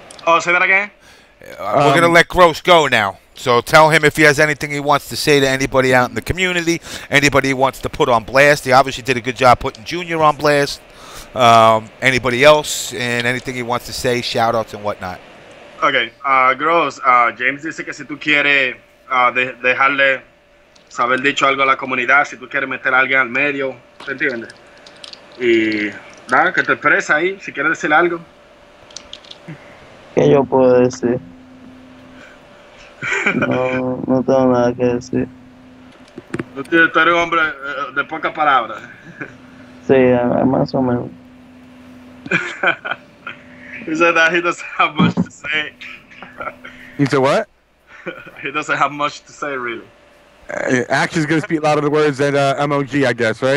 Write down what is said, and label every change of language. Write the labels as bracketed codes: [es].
[en] Oh, say that again? We're gonna let Gross go now. So tell him if he has anything he wants to say to anybody out in the community, anybody he wants to put on blast. He obviously did a good job putting Junior on blast. Anybody else and anything he wants to say, shout outs and whatnot. [es] Okay, Gross, James dice que si tú quieres dejarle saber dicho algo a la comunidad, si tú quieres meter a alguien al medio, ¿te entiendes? Y nada, que te expresa ahí, si quieres decir algo. ¿Qué yo puedo decir? No, no tengo nada que decir. No tiene, tú eres un hombre de pocas palabras. Sí, más o menos. [en] He said that he doesn't have much to say. He said what? He doesn't have much to say, really. Action's gonna speak louder than words than MLG, I guess, right?